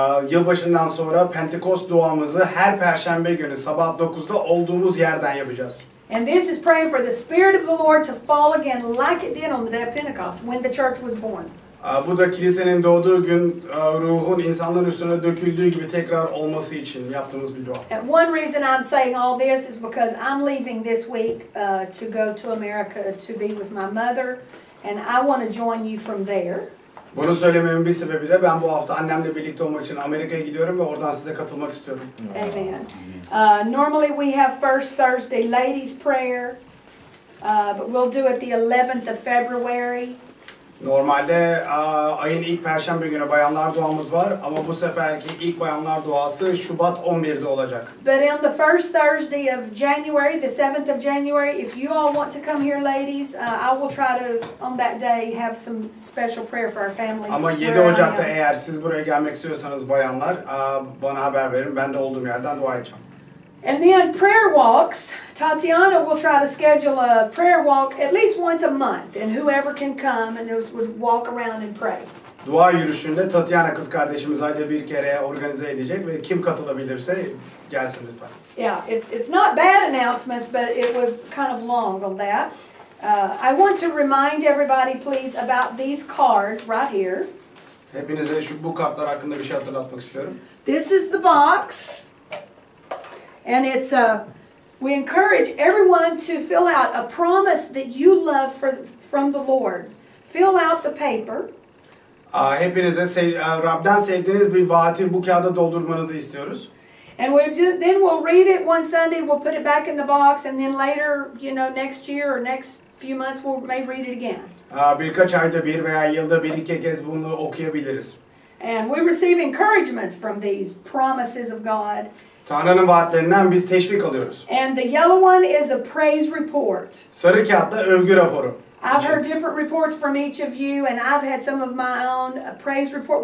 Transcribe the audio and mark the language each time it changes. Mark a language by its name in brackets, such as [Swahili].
[Turkish] Yılbaşından sonra Pentecost duamızı her Perşembe günü sabah 9'da olduğumuz yerden yapacağız. [English] And this is praying for the Spirit of the Lord to fall again like it did on the day of Pentecost when the church was born. [Turkish] Bu da kilisenin doğduğu gün ruhun insanların üstüne döküldüğü gibi tekrar olması için yaptığımız bir dua. [English] And one reason I'm saying all this is because I'm leaving this week to go to America to be with my mother and I want to join you from there. [Turkish] Bunu söylememin bir sebebi de ben bu hafta annemle birlikte olmak için Amerika'ya gidiyorum ve oradan size katılmak istiyorum. [English] Amen. Normally we have first Thursday ladies prayer, but we'll do it the 11th of February. [Turkish] Normalde ayın ilk Perşembe günü bayanlar duamız var ama bu seferki ilk bayanlar duası Şubat 11'de olacak. [English] But on the first Thursday of January, the 7th of January, if you all want to come here ladies, I will try to on that day have some special prayer for our families. [Turkish] Ama 7 Ocak'ta eğer siz buraya gelmek istiyorsanız bayanlar, bana haber verin, ben de olduğum yerden dua edeceğim. [English] And then prayer walks. Tatiana will try to schedule a prayer walk at least once a month, and whoever can come and those would walk around and pray. [Turkish] Dua yürüyüşünde Tatiana kız kardeşimiz ayda bir kere organize edecek ve kim katılabilirse gelsin lütfen. [English] Yeah, it's not bad announcements, but it was kind of long on that. I want to remind everybody, please, about these cards right here. [Turkish] Hepinize şu bu kartlar hakkında bir şey hatırlatmak istiyorum. [English] This is the box. And it's we encourage everyone to fill out a promise that you love from the Lord. Fill out the paper. [Turkish] Hepinize Rab'den sevdiğiniz bir vaati bu kağıda doldurmanızı istiyoruz. [English] And we'll read it one Sunday, we'll put it back in the box, and then later, you know, next year or next few months, we may read it again. [Turkish] Birkaç ayda bir veya yılda bir iki kez bunu okuyabiliriz. [English] And we receive encouragements from these promises of God. [Turkish] Tanrı'nın vaatlerinden biz teşvik alıyoruz. [English] And the yellow one is a praise report. [Turkish] Sarı kağıtta övgü raporu. [English] I've heard different reports from each of you and I've had some of my own praise report.